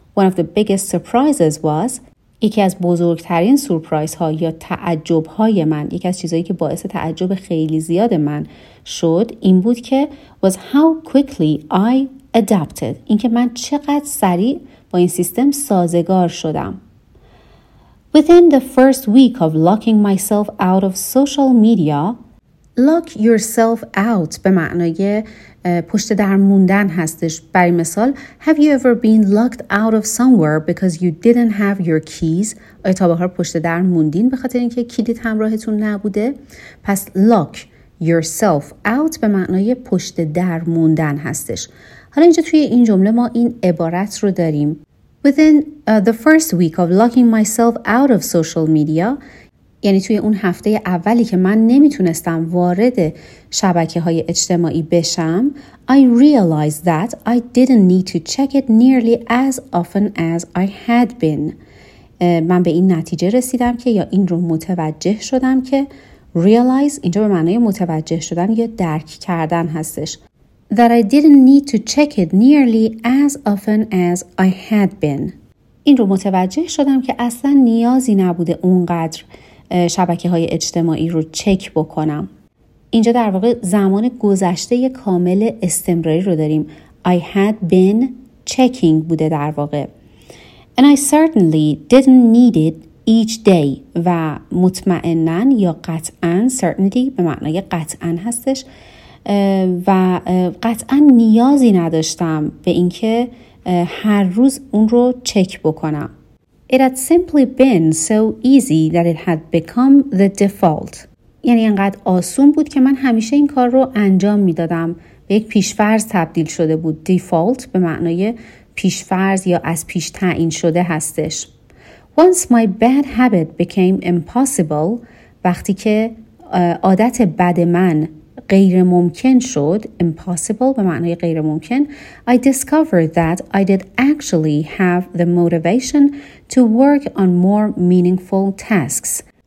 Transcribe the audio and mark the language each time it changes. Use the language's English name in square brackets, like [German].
[English] One of the biggest surprises was [Persian] یکی از بزرگترین سورپرایز ها یا تعجب های من یکی از چیزایی که باعث تعجب خیلی زیاد من شد این بود که [English] was how quickly I adapted. [Persian] این که من چقدر سریع با این سیستم سازگار شدم. [English] Within the first week of locking myself out of social media, lock yourself out [Persian] به معنای پشت در موندن هستش. برای مثال, [English] have you ever been locked out of somewhere because you didn't have your keys? [Persian] آیا تا به حال پشت در موندین به خاطر اینکه کلید همراهتون نبوده؟ پس [English] lock yourself out [Persian] به معنای پشت در موندن هستش. حالا اینجا توی این جمله ما این عبارت رو داریم. [English] Within the first week of locking myself out of social media, [Persian] یعنی توی اون هفته اولی که من نمیتونستم وارد شبکه‌های اجتماعی بشم, [English] I realized that I didn't need to check it nearly as often as I had been. [Persian] من به این نتیجه رسیدم که, یا این رو متوجه شدم که, realize اینجا به معنای متوجه شدن یا درک کردن هستش, [English] that I didn't need to check it nearly as often as I had been. [Persian] این رو متوجه شدم که اصلا نیازی نبوده اونقدر شبکه‌های اجتماعی رو چک بکنم. اینجا در واقع زمان گذشته کامل استمراری رو داریم. [English] I had been checking [Persian] بوده در واقع. [English] And I certainly didn't need it each day. [Persian] و مطمئنن یا قطعاً, certainly به معنای قطعاً هستش, و قطعاً نیازی نداشتم به اینکه هر روز اون رو چک بکنم. [English] It had simply been so easy that it had become the default. [Persian] یعنی انقدر آسون بود که من همیشه این کار رو انجام می دادم. به یک پیشفرض تبدیل شده بود. Default به معنای پیشفرض یا از پیش تعیین شده هستش. [English] Once my bad habit became impossible, [Persian] وقتی که عادت بد من غیر ممکن شد, impossible به معنای غیر ممکن, [English] I discovered that I did actually have the motivation to work on more meaningful tasks.